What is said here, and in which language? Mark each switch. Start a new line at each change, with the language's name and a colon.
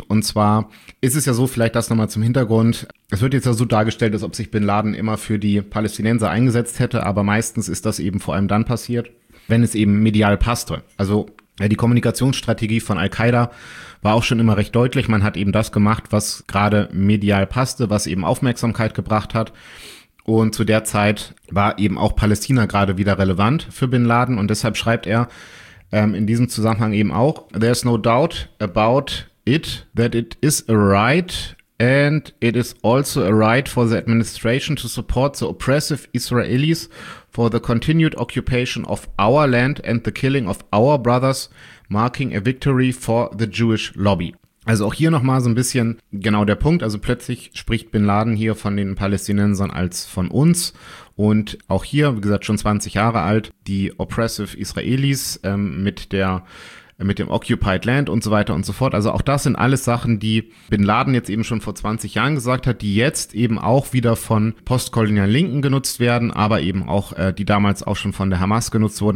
German: Und zwar ist es ja so, vielleicht das nochmal zum Hintergrund, es wird jetzt ja so dargestellt, als ob sich Bin Laden immer für die Palästinenser eingesetzt hätte, aber meistens ist das eben vor allem dann passiert, wenn es eben medial passte. Also die Kommunikationsstrategie von Al-Qaida war auch schon immer recht deutlich. Man hat eben das gemacht, was gerade medial passte, was eben Aufmerksamkeit gebracht hat. Und zu der Zeit war eben auch Palästina gerade wieder relevant für Bin Laden. Und deshalb schreibt er in diesem Zusammenhang eben auch,
English: there's no doubt about it, that it is a right and it is also a right for the administration to support the oppressive Israelis for the continued occupation of our land and the killing of our brothers, marking a victory for the Jewish lobby.
German: Also auch hier nochmal so ein bisschen genau der Punkt, also plötzlich spricht Bin Laden hier von den Palästinensern als von uns. Und auch hier, wie gesagt, schon 20 Jahre alt, die oppressive Israelis mit dem Occupied Land und so weiter und so fort. Also auch das sind alles Sachen, die Bin Laden jetzt eben schon vor 20 Jahren gesagt hat, die jetzt eben auch wieder von postkolonialen Linken genutzt werden, aber eben auch, die damals auch schon von der Hamas genutzt wurden.